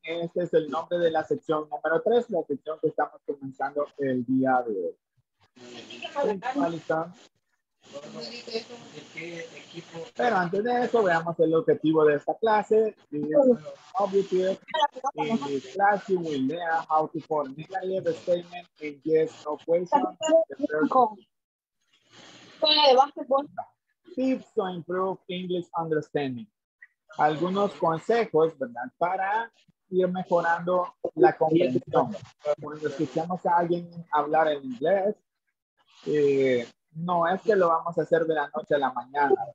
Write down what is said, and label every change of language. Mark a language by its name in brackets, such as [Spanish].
[Spanish] Este es el nombre de la sección número 3, la sección que estamos comenzando el día de hoy. ¿Cuál está? Pero antes de eso, veamos el objetivo de esta clase. [English] In this class, you will learn how to form negative statement in yes no question. Tips to improve English understanding. [Spanish] Algunos consejos, ¿verdad? Para ir mejorando la comprensión. Cuando escuchamos a alguien hablar en inglés, no es que lo vamos a hacer de la noche a la mañana.